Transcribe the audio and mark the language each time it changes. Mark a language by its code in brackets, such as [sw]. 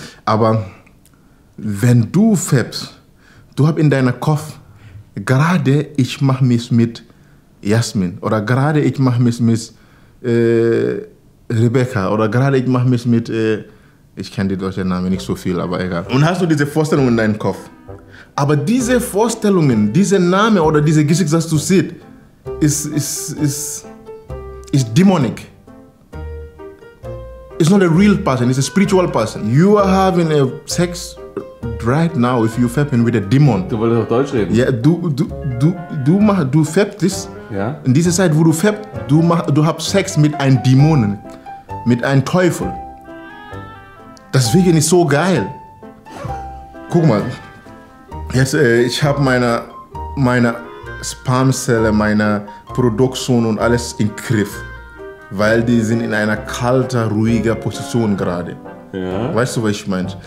[de] Aber wenn du feppst, du hast in deinem Kopf, gerade ich mache mich mit Jasmin oder gerade ich mache mich mit Rebecca oder gerade ich mache mich mit, ich kenne die deutschen Namen nicht so viel, aber egal. Und hast du diese Vorstellung in deinem Kopf. Aber diese Vorstellungen, diese Namen oder diese Gesichter, die du siehst, ist dämonisch. [en] It's not a real person, it's a spiritual person. You are having a sex right now, if you fap with a demon. [de] Du wolltest auf Deutsch reden. Ja, du [en] fap this. [de] Ja. In dieser Zeit, wo du fap, du hast Sex mit einem Dämonen. Mit einem Teufel. Deswegen ist so geil. Guck mal. Jetzt, ich habe meine Spermzelle, meine Produktion und alles im Griff. Weil die sind in einer kalten, ruhigen Position gerade. Ja. Weißt du, was ich meine?